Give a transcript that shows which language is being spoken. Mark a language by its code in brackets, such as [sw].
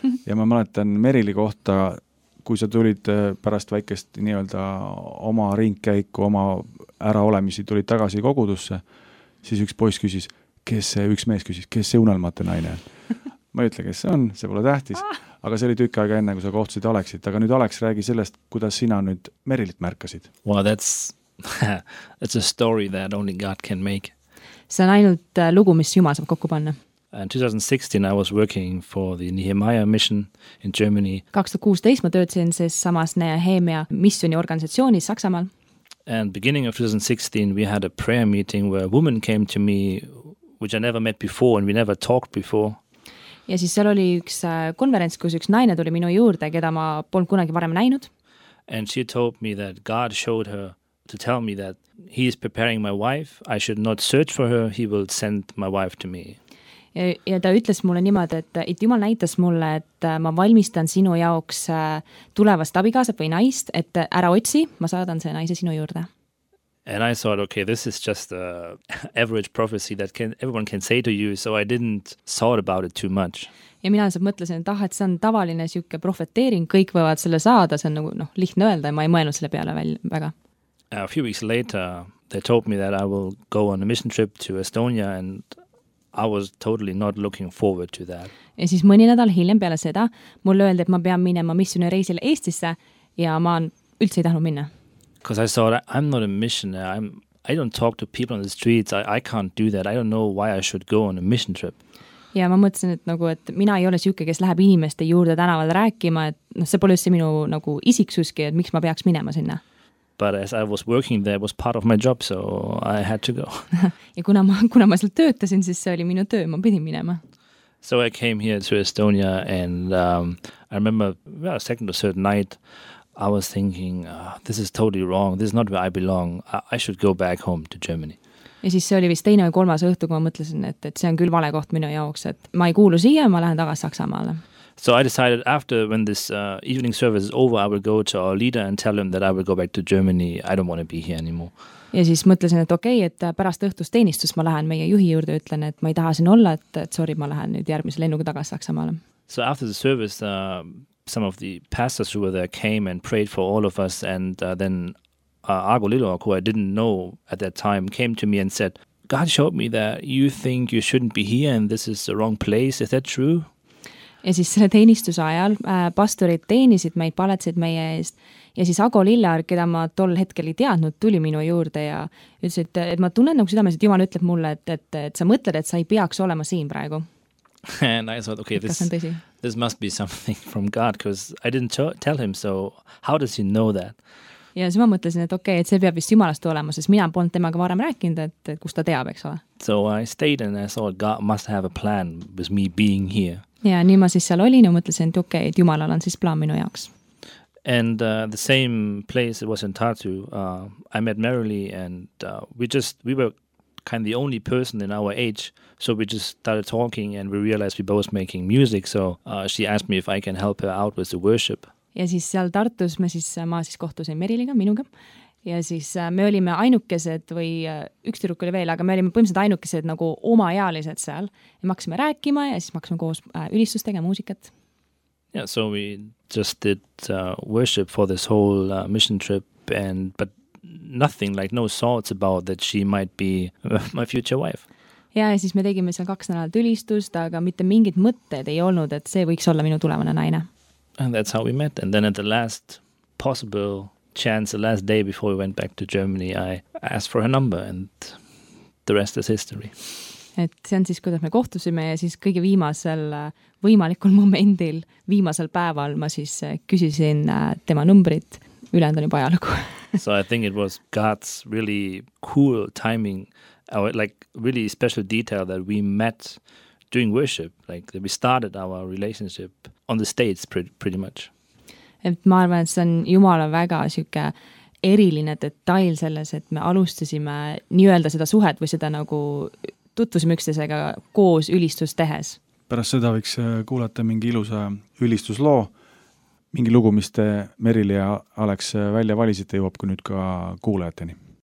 [et] Ja ma mäletan Merili kohta, kui sa tulid pärast väikest nii-öelda oma ringkäiku, oma ära olemisi, tulid tagasi kogudusse, siis üks poiss küsis, kes see, üks mees küsis, kes see unelmate naine on? Ma ei ütle, kes see on, see pole tähtis. Aga see oli tükka aega enne, kui sa kohtsid Aleksit. Aga nüüd Aleks räägi sellest, kuidas sina nüüd Merilit märkasid. [en] Well, that's a story that only God can make. [et] See on ainult lugu, mis Juma saab kokku panna. [en] In 2016 I was working for the Nehemiah mission in Germany. [et] 2016 ma töötsin siis samas Nehemiah missioni organisatsioonis Saksamaal. [en] And beginning of 2016 we had a prayer meeting where a woman came to me which I never met before and we never talked before. [et] Ja siis seal oli üks konverents, kus üks naine tuli minu juurde, keda ma polnud kunagi varem näinud. [en] And she told me that God showed her to tell me that he is preparing my wife. I should not search for her. He will send my wife to me. [et] Ja ta ütles mulle niimoodi, et Jumal näitas mulle, et ma valmistan sinu jaoks tulevast abikaasat või naist, et ära otsi, ma saadan see naise sinu juurde. [en] And I thought, okay, this is just a average prophecy that everyone can say to you, so I didn't thought about it too much. [et] Ja mina saab mõtlesin, et et see on tavaline siuke profeteering, kõik võivad selle saada, see on nagu lihtne öelda ja ma ei mõelnud selle peale väga. [en] A few weeks later, they told me that I will go on a mission trip to Estonia and I was totally not looking forward to that. [et] Ja siis mõni nädal hiljem peale seda, mul öeldi, et ma pean minema missioni reisile Eestisse ja ma üldse ei tahanud minna. [en] Because I thought, I'm not a missionary. I don't talk to people on the streets. I can't do that. I don't know why I should go on a mission trip. [et] Ja ma mõtlesin, et nagu, et mina ei ole siuke, kes läheb inimeste juurde tänaval rääkima, et see pole see minu nagu isiksuski, et miks ma peaks minema sinna. [en] But as I was working there, it was part of my job, so I had to go. [et] Ja kuna ma seal töötasin, siis see oli minu töö, ma pidin minema. [en] So I came here to Estonia and I remember a second or third night, I was thinking, this is totally wrong, this is not where I belong, I should go back home to Germany. [et] Ja siis see oli vist teine või kolmas õhtu, kui ma mõtlesin, et see on küll vale koht minu jaoks, et ma ei kuulu siia, ma lähen tagasi Saksamaale. [en] So I decided after when this evening service is over, I will go to our leader and tell him that I will go back to Germany. I don't want to be here anymore. [et] Ja siis mõtlesin, et okei, et pärast õhtus teenistus ma lähen meie juhi juurde, ütlen, et ma ei taha siin olla, et sorry, ma lähen nüüd järgmise lennuga tagasi Saksamaale. [en] So after the service, some of the pastors who were there came and prayed for all of us. And then Agu Lillar, who I didn't know at that time, came to me and said, God showed me that you think you shouldn't be here and this is the wrong place. Is that true? [et] Ja siis selle teenistuse ajal pastorid teenisid meid, paletsid meie eest ja siis Agu Lillar, keda ma tol hetkel ei teadnud, tuli minu juurde ja ütles, et ma tunnen nagu südames, et Jumal ütleb mulle, et sa mõtled, et sa ei peaks olema siin praegu. [en] And I thought, okay, this must be something from God, because I didn't tell him, so how does he know that? [et] Ja siis ma mõtlesin, et okei, et see peab vist Jumalast olema, sest mina polnud temaga varem rääkinud, et kus ta teab, eks ole. [en] So I stayed and I thought God must have a plan with me being here. [et] Ja nii ma siis seal olin ja mõtlesin, et okei, et Jumalal on siis plaan minu jaoks. [en] And the same place it was in Tartu, I met Merrily and we were kind of the only person in our age, so we just started talking and we realized we both making music, so she asked me if I can help her out with the worship. [et] Ja siis seal Tartus ma siis kohtusin Meriliga, minuga. Ja siis me olime ainukesed või üks tüdruk oli veel, aga me olime põhimõtteliselt ainukesed nagu oma ealised seal. Ja maksime rääkima ja siis maksime koos ülistustega muusikat. [en] Yeah, so we just did worship for this whole mission trip, but nothing, like no thoughts about that she might be my future wife. [et] Yeah, ja siis me tegime seal kaks nädalat ülistust, aga mitte mingid mõtted ei olnud, et see võiks olla minu tulevane naine. [en] And that's how we met. And then at the last possible chance, the last day before we went back to Germany, I asked for her number and the rest is history. [et] Et see on siis, kuidas me kohtusime ja siis kõige viimasel võimalikul momendil, viimasel päeval ma siis küsisin tema numbrit, ülend on juba ajalugu. [en] So I think it was God's really cool timing, or like really special detail that we met during worship, like that we started our relationship on the stage pretty much. [et] Et ma arvan, et see on Jumala väga siuke eriline detail selles, et me alustasime nii-öelda seda suhet või seda nagu tutvusime üksteisega koos ülistust tehes. Pärast seda võiks kuulata mingi ilusa ülistusloo, mingi lugu, mis te Merile ja Alex välja valisite, jõuab kui nüüd ka kuulajateni.